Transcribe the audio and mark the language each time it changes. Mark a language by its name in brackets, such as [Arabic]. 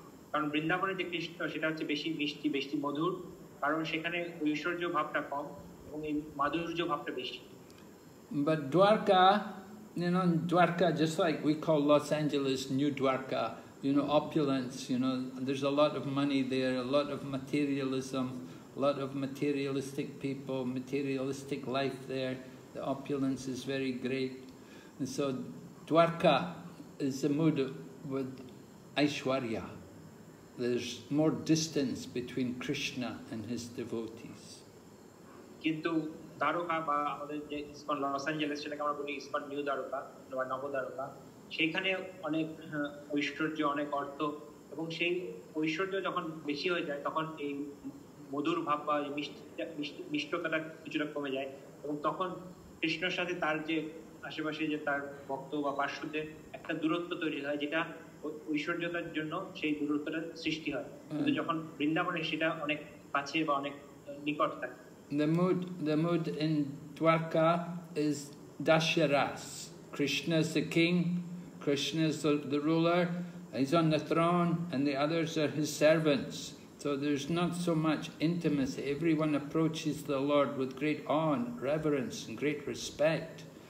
[Bangla] কারণ বৃন্দাবনে যে কৃষ্ণ সেটা হচ্ছে বেশি মিষ্টি বেশি মধুর, কারণ সেখানে ঐশ্বর্য ভাবটা কম এবং এই মাধুর্য ভাবটা বেশি. [English] But Dwarka, you know, Dwarka, just like we call Los Angeles New Dwarka, you know, opulence, you know, there's a lot of money there, a lot of materialism, a lot of materialistic people, materialistic life there. The opulence is very great. And so Dwarka is the mood with Aishwarya. There's more distance between Krishna and his devotees. [Bangla] কিন্তু দ্বারকা বা আমাদের যে ISKCON Los Angeles সেটাকে আমরা বলি ISKCON new Dwarka বা নবদ্বারকা, সেখানে অনেক ঐশ্বর্য অনেক অর্থ এবং সেই ঐশ্বর্য যখন বেশি হয়ে যায় তখন এই মধুর ভাব বা মিষ্টতাটা কিছুটা কমে যায় এবং তখন কৃষ্ণর সাথে তার যে আশেপাশে যে তার ভক্ত বা পার্শ্বদের একটা দূরত্ব তৈরি হয় যেটা ঐশ্বর্যতার জন্য সেই দূরত্বটা সৃষ্টি হয়, কিন্তু যখন বৃন্দাবনে সেটা অনেক কাছে বা অনেক নিকট থাকে. [English] The mood in Dwarka is Dasharas. Krishna is the king, Krishna is the ruler, he's on the throne, and the others are his servants. So there's not so much intimacy. Everyone approaches the Lord with great awe and reverence and great respect.